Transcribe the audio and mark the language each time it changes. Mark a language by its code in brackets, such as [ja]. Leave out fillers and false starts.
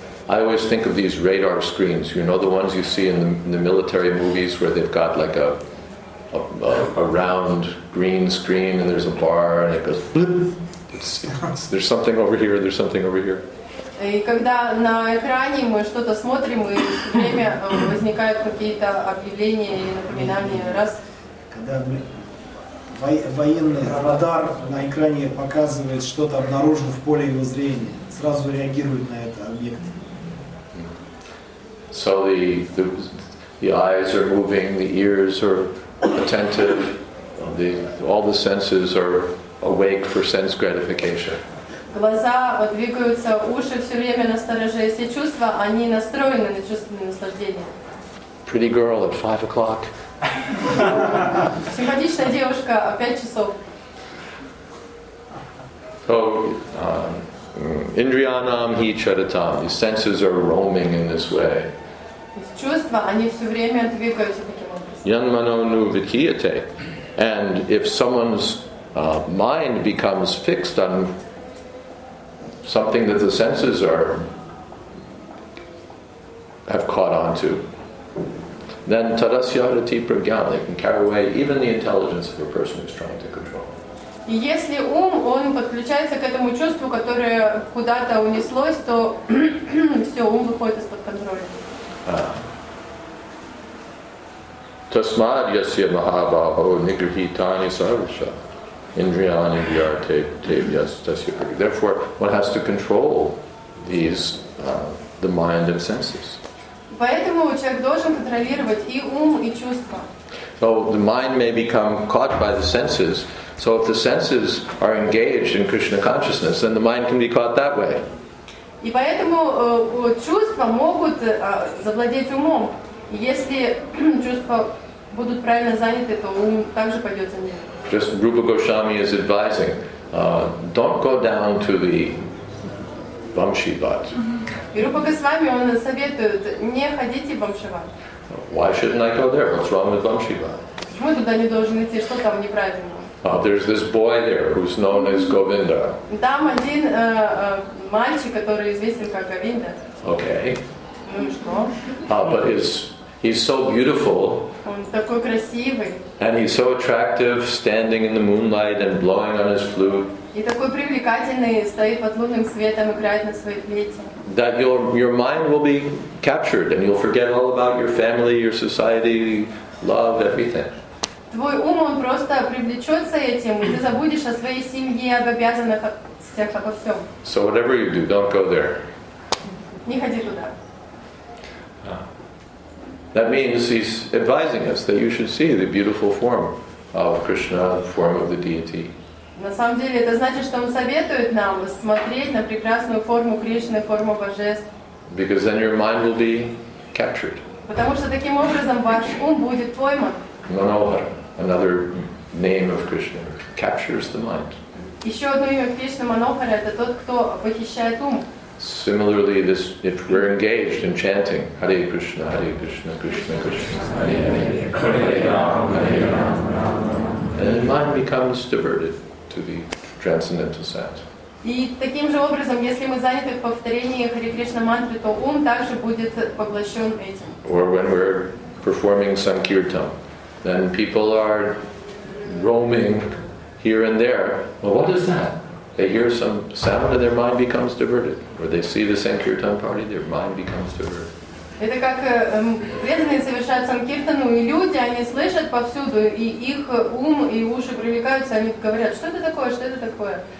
[en] I always think of these radar screens, you know, the ones you see in the military movies where they've got like a round green screen and there's a bar and it goes blip. There's something over here, there's something over here. [ru] И когда на экране мы что-то смотрим, и время возникают какие-то объявления или напоминания, раз. Когда военный радар на экране показывает что-то обнаружено в поле его зрения, сразу реагирует на это объект. [en] So the eyes are moving, the ears are attentive, all the senses are awake for sense gratification. [ru] Глаза двигаются, уши все время настороже, все чувства, они настроены на чувственное наслаждение. [en] Pretty girl at 5 o'clock. [ru] Симпатичная девушка, 5 часов. [sa] So, Indriyanam hi charitam. [en] The senses are roaming in this way. [ru] Чувства, они все время двигаются таким образом. [sa] Yanmano nu vikiyate. [en] And if someone's mind becomes fixed on something that the senses have caught on to, then [sa] tadasya rati pragyan, [en] they can carry away even the intelligence of a person who's trying to control. [ru] И если ум, он подключается к этому чувству, которое куда-то унеслось, то все, ум выходит из-под контроля. [sa] Tasmad yasya mahabaho nigrihitani sarvasha. Indriyani vyarte tevyas tasya prakriti. [en] Therefore, one has to control these, the mind and senses. [ru] Поэтому человек должен контролировать и ум, и чувства. [en] So the mind may become caught by the senses. So if the senses are engaged in Krishna consciousness, then the mind can be caught that way. [ru] И поэтому чувства могут завладеть умом. Если чувства будут правильно заняты, то ум также пойдет за ним. [en] Just Rupa Goswami is advising, don't go down to the Vamshi Bhat. [ru] И Рупа Госвами, он советует, не ходите в Vamshi Bhat. [en] Why shouldn't I go there? What's wrong with Vamshi Bhat? [ru] Почему туда не должен идти? Что там неправильно? [en] There's this boy there who's known as Govinda. [ru] Там один мальчик, который известен как Говинда. [en] Okay. [ru] Ну и что? [en] But he's so beautiful. [ru] Он такой красивый. [en] And he's so attractive, standing in the moonlight and blowing on his flute. [ru] И такой привлекательный, стоит под лунным светом, играет на своей флейте. [en] That your mind will be captured, and you'll forget all about your family, your society, love, everything. [ru] Твой ум, он просто привлечется этим, и ты забудешь о своей семье, об обязанностях, обо всем. [en] So whatever you do, don't go there. [ru] Не ходи туда. [en] That means he's advising us that you should see the beautiful form of Krishna, the form of the deity. [ru] На самом деле, это значит, что он советует нам смотреть на прекрасную форму Кришны, форму Божества. [en] Because then your mind will be captured. [ru] Потому что таким образом ваш ум будет пойман. [en] Manohar, another name of Krishna, captures the mind. [ru] Еще одно имя Кришны Манохара – это тот, кто похищает ум. [en] Similarly, this, if we're engaged in chanting Hare Krishna, Hare Krishna, Krishna Krishna, Hare Hare, Hare Rama, Hare Rama, and the mind becomes diverted to the transcendental sense. [ru] И таким же образом, если мы заняты в повторении Хари Кришна мантры, то ум также будет поглощен этим. [en] Or when we're performing sankirtan, then people are roaming here and there. Well, what is that? They hear some sound and their mind becomes diverted. Or they see the sankirtan party, their mind becomes diverted. [ru] Это как преданные совершают санкиртану, и люди, они слышат повсюду, и их ум и уши привлекаются, они говорят, что это такое, что это такое?